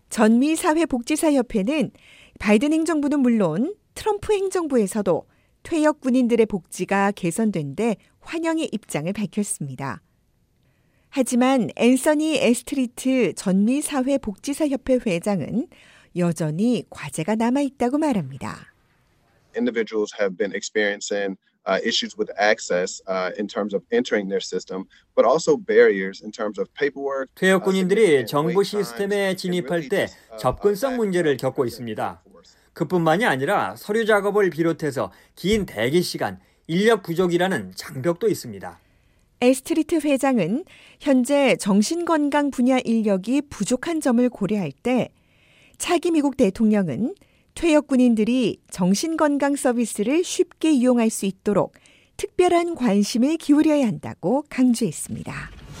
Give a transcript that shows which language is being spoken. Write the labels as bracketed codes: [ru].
[ko] 전미사회복지사협회는 바이든 행정부는 물론 트럼프 행정부에서도 퇴역 군인들의 복지가 개선된 데 환영의 입장을 밝혔습니다. 하지만 앤서니 에스트리트 전미사회복지사협회 회장은 여전히 과제가 남아있다고 말합니다. [en] Individuals have been experiencing issues with access in terms of entering their system, but also barriers in terms of paperwork. [ko] 퇴역군인들이 정부 시스템에 진입할 때 접근성 문제를 겪고 있습니다. 그뿐만이 아니라 서류 작업을 비롯해서 긴 대기 시간, 인력 부족이라는 장벽도 있습니다. 에스트리트 회장은 현재 정신건강 분야 인력이 부족한 점을 고려할 때 차기 미국 대통령은 퇴역군인들이 정신건강 서비스를 쉽게 이용할 수 있도록 특별한 관심을 기울여야 한다고 강조했습니다.